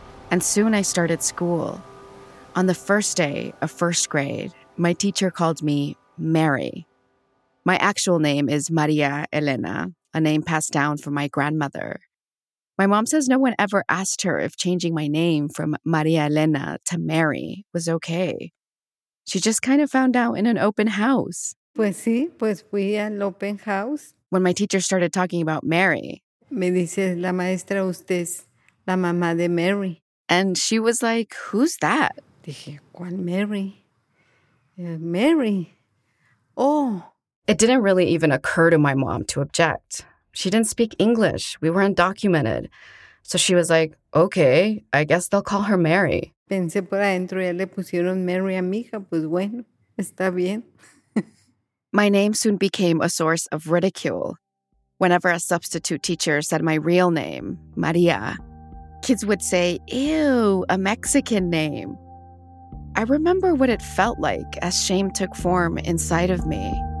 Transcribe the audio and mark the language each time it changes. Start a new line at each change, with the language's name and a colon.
English: And soon I started school. On the first day of first grade, my teacher called me Mary. My actual name is Maria Elena, a name passed down from my grandmother. My mom says no one ever asked her if changing my name from Maria Elena to Mary was okay. She just kind of found out in an open house.
Spanish: Pues sí, pues fui al open house.
English: When my teacher started talking about Mary.
Spanish: Me dice, la maestra, usted es la mamá de Mary.
English: And she was like, who's that?
Spanish: Dije, ¿cuál Mary? Mary. Oh.
English: It didn't really even occur to my mom to object. She didn't speak English. We were undocumented. So she was like, okay, I guess they'll call her Mary.
Spanish: Pensé por adentro, ya le pusieron Mary a mi hija. Pues bueno, está bien.
English: My name soon became a source of ridicule. Whenever a substitute teacher said my real name, Maria, kids would say, ew, a Mexican name. I remember what it felt like as shame took form inside of me.